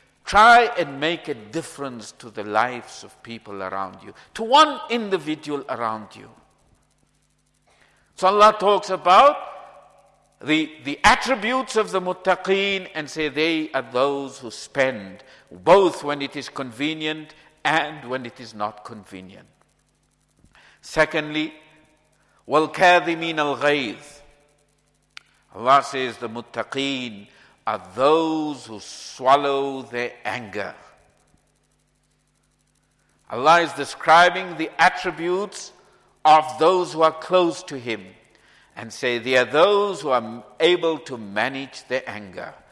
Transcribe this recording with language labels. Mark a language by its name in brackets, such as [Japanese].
[English] Try and make a difference to the lives of people around you, to one individual around you. So Allah talks about the attributes of the muttaqeen and say they are those who spend both when it is convenient and when it is not convenient. [Arabic] Secondly, وَالْكَاذِمِينَ الْغَيْظِ. [English] Allah says the muttaqeen are those who swallow their anger. Allah is describing the attributes of those who are close to Him and say they are those who are able to manage their anger.